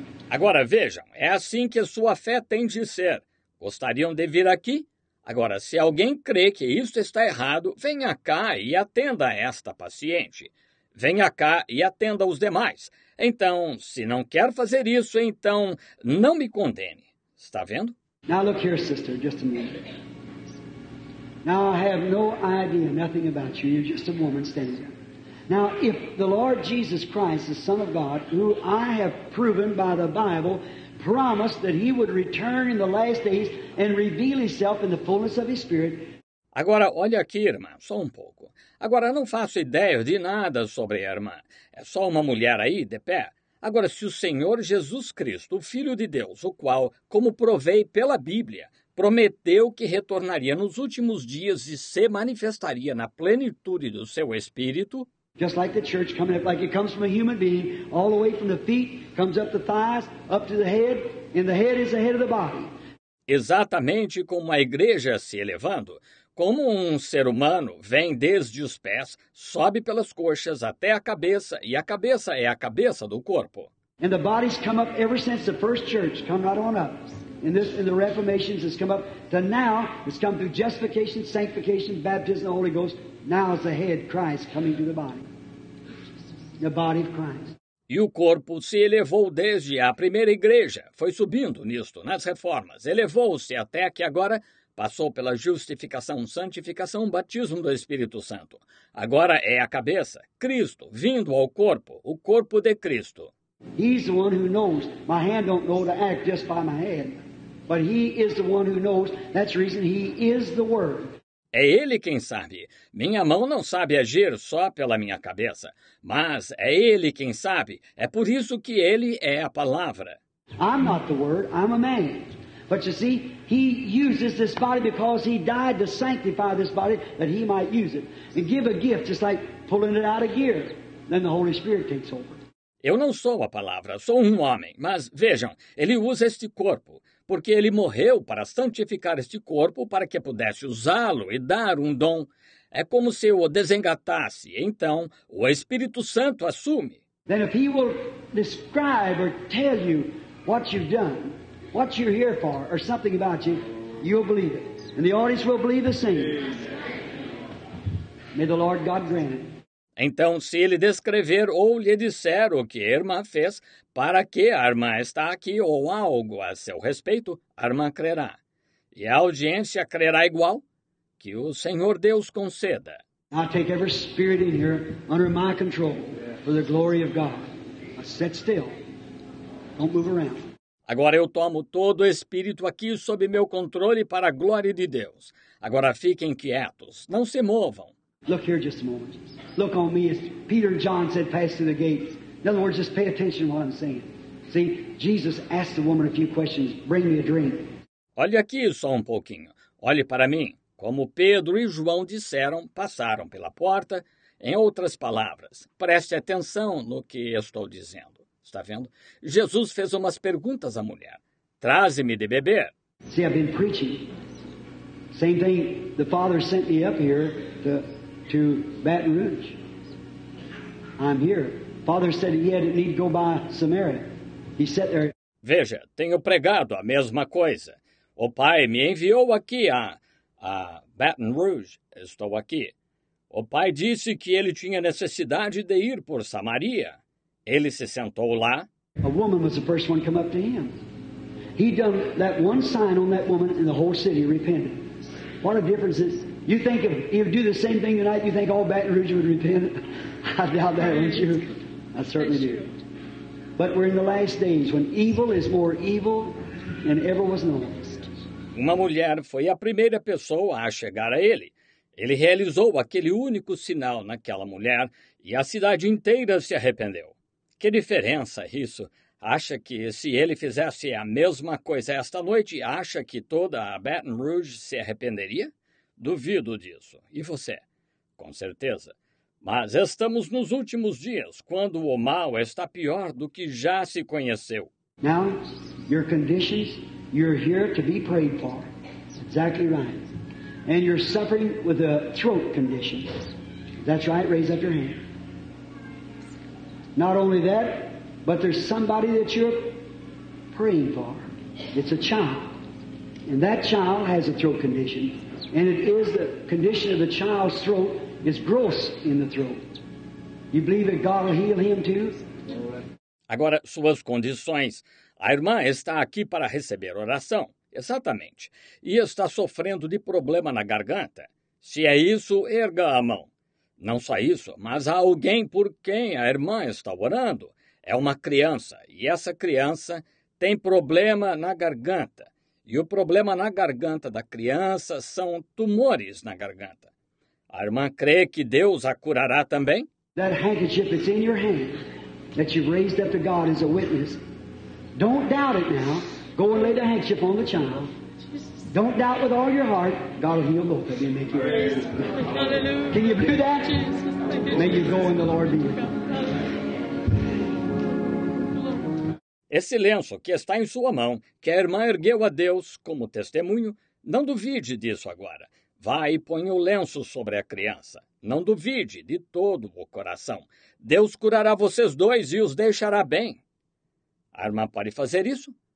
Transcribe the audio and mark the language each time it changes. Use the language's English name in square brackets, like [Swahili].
[Portuguese] Agora vejam, é assim que a sua fé tem de ser. Gostariam de vir aqui? Agora, se alguém crê que isso está errado, venha cá e atenda esta paciente. Venha cá e atenda os demais. Então, se não quer fazer isso, então não me condene. Está vendo? [English] Now look here, sister, just a minute. Now I have no idea, nothing about you. You're just a woman standing there. Now, if the Lord Jesus Christ, the Son of God, who I have proven by the Bible, promised that he would return in the last days and reveal himself in the fullness of his spirit. [Portuguese] Agora, olha aqui, irmã, só um pouco. Agora, não faço ideia de nada sobre a irmã. É só uma mulher aí, de pé. Agora, se o Senhor Jesus Cristo, o Filho de Deus, o qual, como provei pela Bíblia, prometeu que retornaria nos últimos dias e se manifestaria na plenitude do seu Espírito, [English] just like the church coming up, like it comes from a human being, all the way from the feet, comes up the thighs, up to the head, and the head is the head of the body. [Portuguese] Exatamente como a igreja se elevando, como um ser humano vem desde os pés, sobe pelas coxas até a cabeça, e a cabeça é a cabeça do corpo. [English] And the bodies come up ever since the first church come right on up. And the Reformation has come up to now, it's come through justification, sanctification, baptism, the Holy Ghost. Now is the head, Christ, coming to the body of Christ. [Portuguese] E o corpo se elevou desde a primeira igreja, foi subindo nisto, nas reformas, elevou-se até que agora passou pela justificação, santificação, batismo do Espírito Santo. Agora é a cabeça, Cristo, vindo ao corpo, o corpo de Cristo. [English] He's the one who knows. My hand don't know to act just by my head. But he is the one who knows. That's the reason he is the Word. [Portuguese] É ele quem sabe. Minha mão não sabe agir só pela minha cabeça. Mas é ele quem sabe. É por isso que ele é a palavra. [English] I'm not the Word. I'm a man. But you see, he uses this body because he died to sanctify this body that he might use it. And give a gift, just like pulling it out of gear. Then the Holy Spirit takes over. [Portuguese] Eu não sou a palavra, sou um homem. Mas vejam, ele usa este corpo, porque ele morreu para santificar este corpo para que pudesse usá-lo e dar um dom. É como se o desengatasse. Então, o Espírito Santo assume. [English] Then if he will describe or tell you what you've done, what you're here for, or something about you, you'll believe it. And the audience will believe the same. May the Lord God grant it. [Portuguese] Então, se ele descrever ou lhe disser o que a irmã fez, para que a irmã está aqui ou algo a seu respeito, a irmã crerá. E a audiência crerá igual que o Senhor Deus conceda. [English] I take every spirit in here under my control for the glory of God. I sit still. Don't move around. [Portuguese] Agora eu tomo todo o espírito aqui sob meu controle para a glória de Deus. Agora fiquem quietos. Não se movam. [English] Look here just a moment. Look on me as Peter and John said, pass through the gates. In other words, just pay attention to what I'm saying. See, Jesus asked the woman a few questions. Bring me a drink. [Portuguese] Olhe aqui só um pouquinho. Olhe para mim. Como Pedro e João disseram, passaram pela porta. Em outras palavras, preste atenção no que estou dizendo. Está vendo? Jesus fez umas perguntas à mulher. Traze-me de beber. [English] See, I've been preaching. Same thing. The Father sent me up here to Baton Rouge. I'm here. father said he had it need go by Samaria. He sat there. [Portuguese] Veja, tenho pregado a mesma coisa. O pai me enviou aqui a Baton Rouge. Estou aqui. O pai disse que ele tinha necessidade de ir por Samaria. Ele se sentou lá. [English] A woman was the first one to come up to him. He done that one sign on that woman and the whole city repented. What a difference is. You think if he would do the same thing tonight, you think all Baton Rouge would repent? I doubt that, don't you? I certainly do. But we're in the last days when evil is more evil than ever was known. [Portuguese] Uma mulher foi a primeira pessoa a chegar a ele. Ele realizou aquele único sinal naquela mulher e a cidade inteira se arrependeu. Que diferença isso? Acha que se ele fizesse a mesma coisa esta noite, acha que toda a Baton Rouge se arrependeria? Duvido disso. E você? Com certeza. Mas estamos nos últimos dias, quando o mal está pior do que já se conheceu. [English] Now, your conditions, you're here to be prayed for. Exactly right. And you're suffering with a throat condition. That's right, raise up your hand. Not only that, but there's somebody that you're praying for. It's a child. And that child has a throat condition. And it is the condition of the child's throat is gross in the throat. You believe that God will heal him too? [Portuguese] Agora, suas condições. A irmã está aqui para receber oração. Exatamente. E está sofrendo de problema na garganta. Se é isso, erga a mão. Não só isso, mas há alguém por quem a irmã está orando. É uma criança. E essa criança tem problema na garganta. E o problema na garganta da criança são tumores na garganta. A irmã crê que Deus a curará também? [English] That handkerchief that's in your hand, that you've raised up to God as a witness, don't doubt it now. Go and lay the handkerchief on the child. Don't doubt with all your heart. God will heal both of you and make you right. Can you do that? May you go and the Lord be with you. [Portuguese] Esse lenço que está em sua mão, que a irmã ergueu a Deus como testemunho, não duvide disso agora. Vá e põe o lenço sobre a criança. Não duvide de todo o coração. Deus curará vocês dois e os deixará bem. A irmã pode fazer isso?